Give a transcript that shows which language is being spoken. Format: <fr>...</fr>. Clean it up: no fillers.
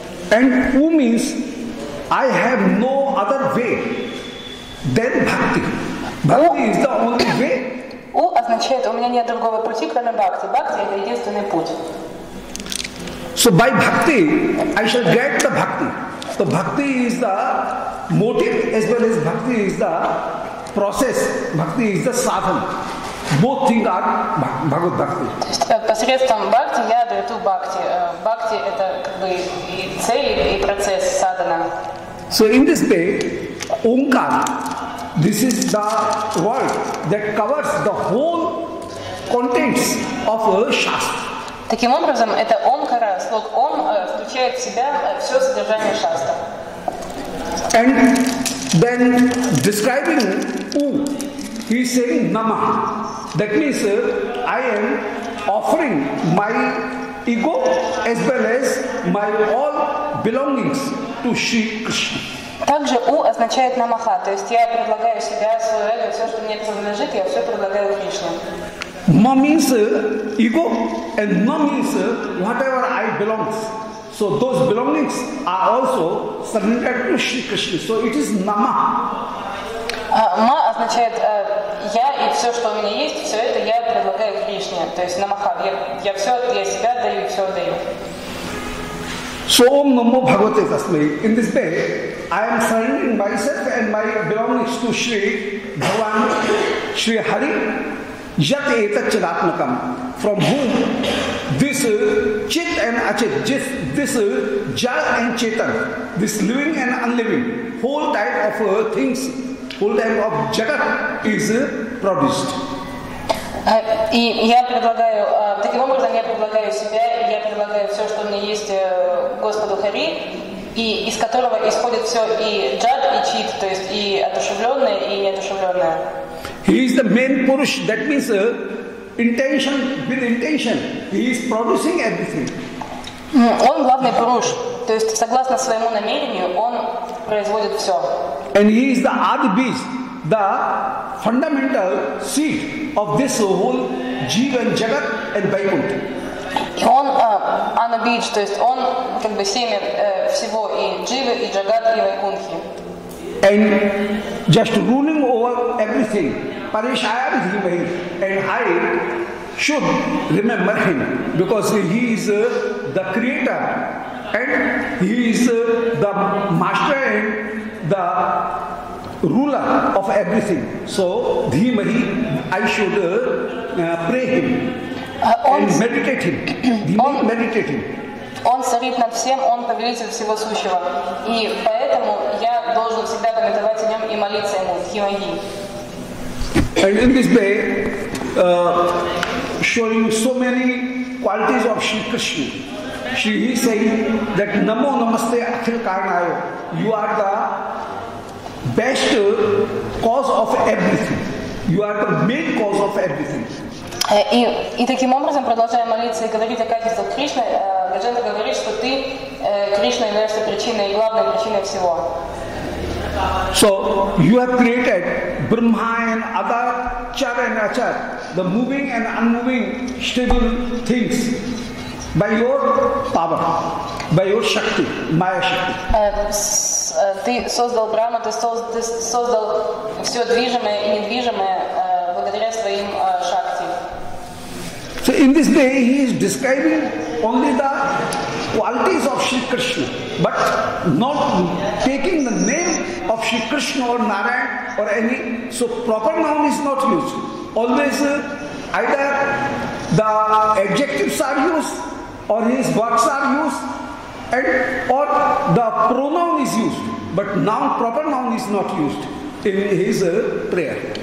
<en>And who means I have no other way than bhakti. Bhakti is the only way.</en> <ru>U означает у меня нет другого пути, кроме бхакти. Бхакти это единственный путь.</ru> <en>So by bhakti I shall get the bhakti. So bhakti is the motive as well as bhakti is the process. Bhakti is the sadhana. Both things are Bhagavad Bhakti.</en> <ru>Посредством бхакти я дарю бхакти. Бхакти это как бы и цель, и процесс садхана.</ru> <en>So in this way, Omkar, this is the word that covers the whole contents of a shastra.</en> <ru>Таким образом, это Omkara, слог Om, включает в себя все содержание шастра.</ru> <en>And then describing U, he is saying Namah. That means I am offering my ego as well as my all belongings to Shri Krishna.</en> <ru>Также U означает Namaha, то есть я предлагаю себя, свое эго, все, что мне принадлежит, я все предлагаю Кришне.</ru> <en>Ma means ego and Na means whatever I belongs. So those belongings are also surrendered to Shri Krishna. So it is Namaha.</en> <ru>Ma означает я и все, что у меня есть, все это я предлагаю Кришне. То есть намаха. Я все для себя даю, все отдаю.</ru> <en>So Om Namo Bhagavate Tasmai. In this way, I am surrendering myself and my belongings to Shri Bhagavan, Shri Hari, Yat Etat Chidatmakam, from whom this Chit and Achit, this Jal and Chetan, this living and unliving, whole type of things, whole type of jagat is produced.</en> <ru>И я предлагаю, таким образом я предлагаю себя, я предлагаю все, что у меня есть Господу Хари, и из которого исходит все и джад, и чит, то есть и одушевленное, и неодушевленное.</ru> <en>He is the main Purush, that means intention, with intention, he is producing everything.</en> <ru>Он главный Пуруш, то есть согласно своему намерению, он производит все.</ru> <en>And he is the Adibis, the fundamental seed of this whole Jeeva and Jagat and Vaikuntha.</en> <ru>И он Анабидж, то есть он как бы семя всего и Дживы, и Джагат, и Вайкунхи.</ru> <en>and just ruling over everything. Parishaya is him, and I should remember him because he is the creator and he is the master and the ruler of everything. So Dhimahi, I should pray him and meditate him. Dhimahi, meditate him.</en> <ru>Он царит над всем, он повелитель всего сущего. И поэтому я должен всегда памятовать о нем и молиться ему, Дхимахи.</ru> <en>And in this way, showing so many qualities of Shri Krishna. Shri is saying that Namo Namaste Akhil Karnayo. You are the best cause of everything. You are the main cause of everything.</en> <ru>И таким образом, продолжая молиться и говорить о качествах Кришны, Гаджанта говорит, что ты, Кришна, являешься причиной, главной причиной всего.</ru> <en>So, you have created Brahma and other char and achar, the moving and unmoving, stable things, by your power, by your shakti, maya shakti.</en> <ru>Ты создал Брахма, ты создал все движимое и недвижимое благодаря своим шакти.</ru> <en>So, in this day, he is describing only the qualities of Shri Krishna, but not taking the name of Shri Krishna or Narayan or any, so proper noun is not used. Always either the adjectives are used or his works are used and or the pronoun is used, but noun, proper noun is not used in his prayer.</en>